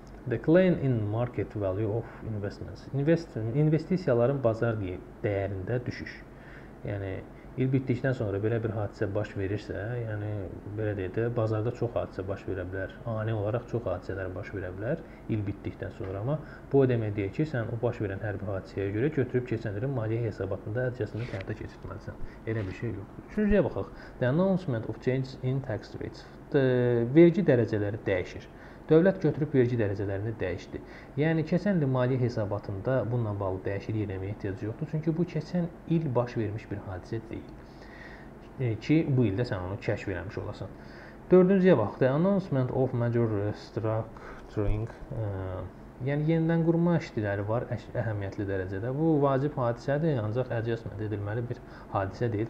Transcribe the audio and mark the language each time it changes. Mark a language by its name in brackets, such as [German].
[English] Decline in market value of investments. [Azerbaijani] İnvestisiyaların bazar dəyərində düşüş. Yəni, il bitdikdən sonra belə bir hadisə baş verirsə, yəni, belə deyək də, bazarda çox hadisə baş verə bilər. Ani olaraq çox hadisələr baş verə bilər il bitdikdən sonra. Amma bu o demək deyək ki, sən o baş verən hər bir hadisəyə görə götürüb keçənlərin maliyyə hesabatında ədcəsini təhətdə keçirtməlisən. Elə bir şey yoxdur. Üçüncüyə baxaq. [English] The announcement of changes in tax rates. [Azerbaijani] Vergi dərəcələri dəyişir. Dövlət götürüb vergi dərəcələrini dəyişdi. Yəni, keçən il maliyyə hesabatında bununla bağlı dəyişiklik eləməyə ehtiyacı yoxdur. Çünki bu, keçən il baş vermiş bir hadisə deyil ki, bu ildə sən onu kəşf eləmiş olasın. Dördüncüyə baxdı. [English] The announcement of major restructuring. [Azerbaijani] Yəni, yenidən qurma işləri var əhəmiyyətli dərəcədə. Bu, vacib hadisədir, ancaq adjustment edilməli bir hadisə deyil.